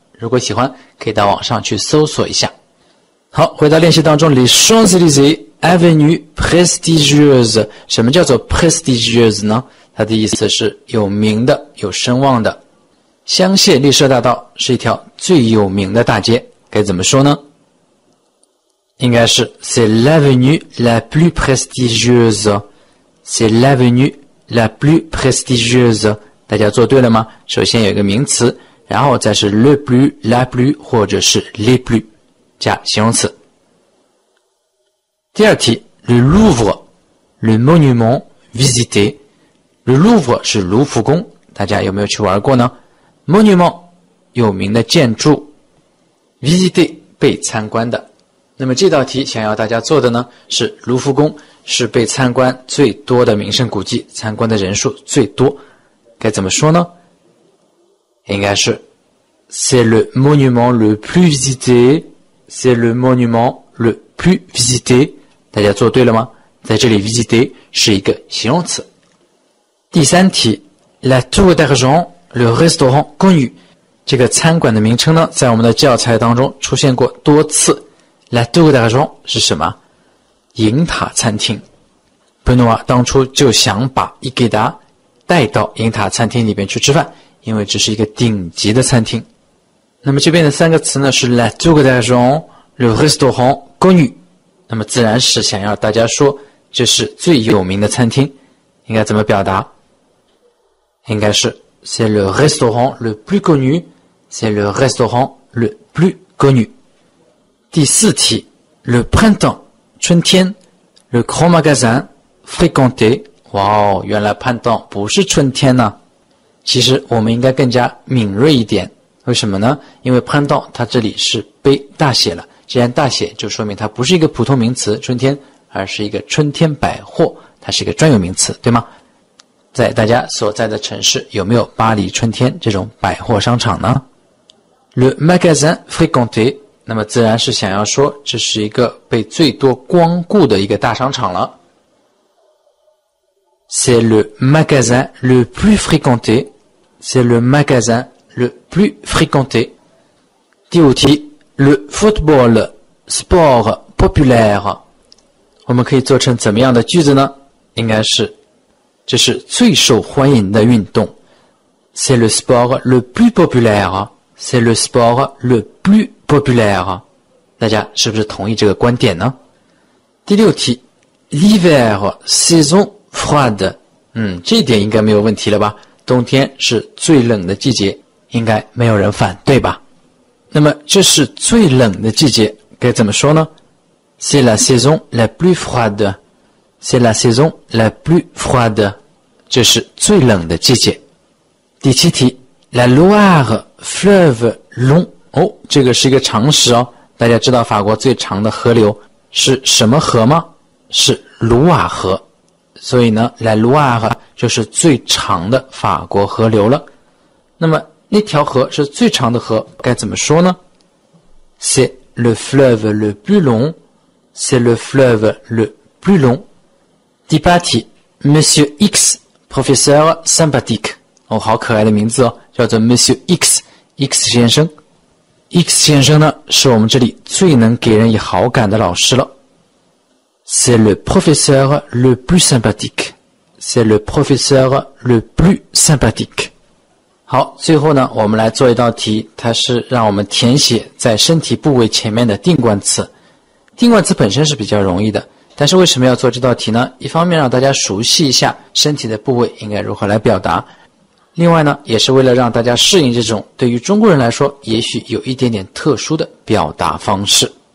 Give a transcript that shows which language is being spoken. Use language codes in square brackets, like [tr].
[zh] 如果喜欢可以到网上去搜索一下。好，回到练习当中 Les Champs-Élysées, Avenue Prestigieuse, 什么叫做 Prestigieuse 呢？它的意思是有名的，有声望的。香榭丽舍大道是一条最有名的大街，该怎么说呢？ [fr] 应该是 C'est l'avenue la plus prestigieuse. C'est l'avenue la plus prestigieuse. [zh] 大家做对了吗？首先有一个名词，然后再是 le plus, la plus, 或者是 les plus, 加形容词。 [fr] 第二题 Le Louvre, le monument visité. [zh] Le Louvre 是卢浮宫，大家有没有去玩过呢？Monument, 有名的建筑， visité, 被参观的。那么这道题想要大家做的呢，是卢浮宫是被参观最多的名胜古迹，参观的人数最多，该怎么说呢？ [fr] 应该是 C'est le monument le plus visité, c'est le monument le plus visité, [zh] 大家做对了吗？在这里 visité 是一个形容词。第三题 [fr] La Tour d'Argent, le restaurant connu, [zh] 这个餐馆的名称呢，在我们的教材当中出现过多次。 La Tour d'Argent 是什么？银塔餐厅。 Benoît 当初就想把伊给达带到银塔餐厅里边去吃饭，因为这是一个顶级的餐厅。那么这边的三个词呢，是 La Tour d'Argent, Le Restaurant, Connu, 那么自然是想要大家说这是最有名的餐厅，应该怎么表达？ [fr] 应该是 c'est le restaurant le plus connu, c'est le restaurant le plus connu. [zh] 第四题 le printemps, 春天 [fr] le grand magasin fréquenté, [zh] 哇哦，原来 printemps 不是春天呢、啊。其实我们应该更加敏锐一点，为什么呢？因为 printemps 它这里是被大写了，既然大写就说明它不是一个普通名词春天，而是一个春天百货，它是一个专有名词，对吗？在大家所在的城市有没有巴黎春天这种百货商场呢？ [fr] Le magasin fréquenté, [zh] 那么自然是想要说这是一个被最多光顾的一个大商场了。 [fr] C'est le magasin le plus fréquenté, c'est le magasin le plus fréquenté. [zh] 第五题 [fr] Le football sport populaire, [zh] 我们可以做成怎么样的句子呢？应该是这是最受欢迎的运动。 [fr] C'est le sport le plus populaire. C'est le sport le plus populaire. [zh] 大家是不是同意这个观点呢？ [fr] 第六题 ,l'hiver, saison froide. [zh] 这一点应该没有问题了吧。冬天是最冷的季节，应该没有人反对吧。那么这是最冷的季节该怎么说呢？ [fr] C'est la saison la plus froide. C'est la saison la plus froide. [zh] 这是最冷的季节。 [fr] 第七题 La Loire, fleuve long. [zh] 哦，这个是一个常识哦。大家知道法国最长的河流是什么河吗？是卢瓦河。所以呢 La Loire 就是最长的法国河流了。那么那条河是最长的河该怎么说呢？ [fr] C'est le fleuve le plus long. C'est le fleuve le plus long. 第八题 Monsieur X, professeur sympathique. [zh] 哦，好可爱的名字哦，叫做 Monsieur X, X 先生。 X 先生呢，是我们这里最能给人以好感的老师了。 [fr] C'est le professeur le plus sympathique. C'est le professeur le plus sympathique. [zh] 好，最后呢，我们来做一道题，它是让我们填写在身体部位前面的定冠词。定冠词本身是比较容易的，但是为什么要做这道题呢？一方面让大家熟悉一下身体的部位应该如何来表达，另外呢，也是为了让大家适应这种对于中国人来说也许有一点点特殊的表达方式。